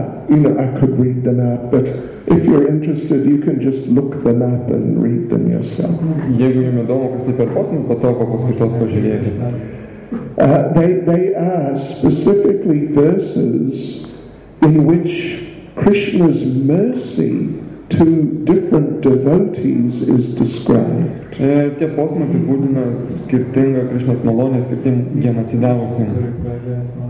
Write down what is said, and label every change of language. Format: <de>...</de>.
<en>You know, I could read them out, but if you're interested, you can just look them up and read them yourself.</en> <lt>Jeigu jums įdomu, pasiperk posmus, po to po paskaitos pažiūrėkite.</lt> <en>They are specifically verses in which Krishna's mercy to different devotees is described.</en> <lt>Tie posmai apibūdina skirtingą Krishnos malonę skirtingiem atsidavusiems.</lt>